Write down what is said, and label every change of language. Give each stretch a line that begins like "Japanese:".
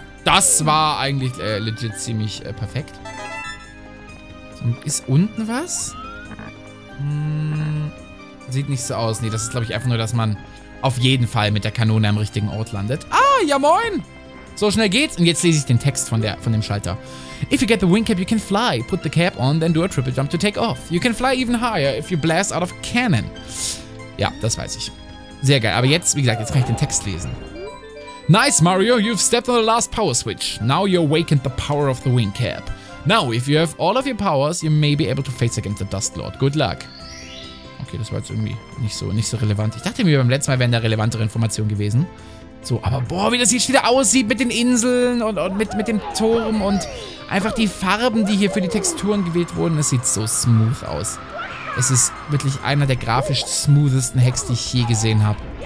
German: Das war eigentlich legit ziemlich perfekt. Ist unten was? Sieht nicht so aus. Nee, das ist, glaube ich, einfach nur, dass man auf jeden Fall mit der Kanone am richtigen Ort landet. Ah, ja moin! So schnell geht's. Und jetzt lese ich den Text von dem Schalter.
English: If you get the wing cap, you can fly. Put the cap on, then do a triple jump to take off. You can fly even higher if you blast out of cannon.
German: Ja, das weiß ich. Sehr geil. Aber jetzt, wie gesagt, jetzt kann ich den Text lesen.
English: Nice, Mario. You've stepped on the last power switch. Now you awakened the power of the wing cap. Now, if you have all of your powers, you may be able to face against the Dust Lord. Good luck.
German: Okay, das war jetzt irgendwie nicht so relevant. Ich dachte mir, beim letzten Mal wären da relevantere Informationen gewesen. So, aber boah, wie das jetzt wieder aussieht mit den Inseln und mit dem Turm und einfach die Farben, die hier für die Texturen gewählt wurden. Es sieht so smooth aus. Es ist wirklich einer der grafisch smoothesten Hacks, die ich je gesehen habe.